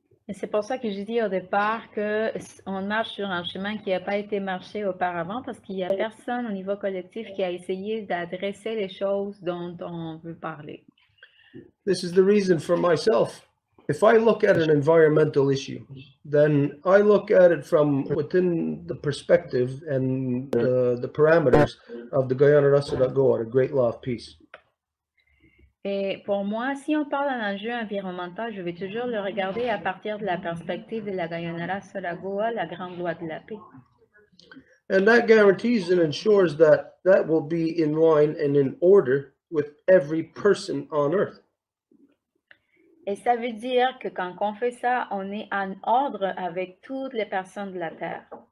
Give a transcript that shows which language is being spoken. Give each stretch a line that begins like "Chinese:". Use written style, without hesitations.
French: C'est pour ça que je dis au départ qu'on marche sur un chemin qui n'a pas été marché auparavant parce qu'il n'y a personne au niveau collectif qui a essayé d'adresser les choses dont on veut parler.
English: This is the reason for myself. If I look at an environmental issue, then I look at it from within the perspective and the parameters of the Guyana Rasa Goa, a great law of peace.
French: Et pour moi, si on parle d'un enjeu environnemental, je vais toujours le regarder à partir de la perspective de la Guyana Rasa Goa, la grande loi de la paix.
English: And that guarantees and ensures that that will be in line and in order with every person on earth.
French: Et ça veut dire que quand on fait ça, on est en ordre avec toutes les personnes de la Terre.